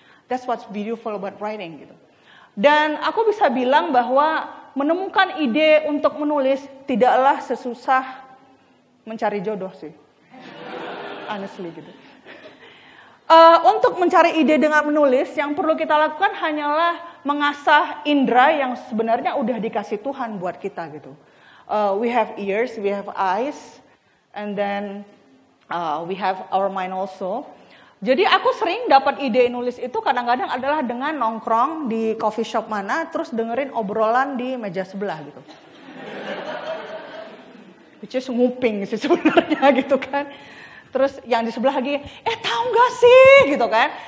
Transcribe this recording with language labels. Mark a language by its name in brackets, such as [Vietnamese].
[English] That's what's beautiful about writing [Indonesian] gitu. Dan aku bisa bilang bahwa menemukan ide untuk menulis tidaklah sesusah mencari jodoh sih. [English] Honestly [Indonesian] gitu. Untuk mencari ide dengan menulis, yang perlu kita lakukan hanyalah mengasah indera yang sebenarnya udah dikasih Tuhan buat kita gitu. [English] We have ears, we have eyes, and then we have our mind also. [Indonesian] Jadi aku sering dapat ide nulis itu kadang-kadang adalah dengan nongkrong di coffee shop mana, terus dengerin obrolan di meja sebelah gitu. [English] Which is [Indonesian] nguping sih sebenarnya gitu kan. Terus yang di sebelah lagi, tahu nggak sih gitu kan?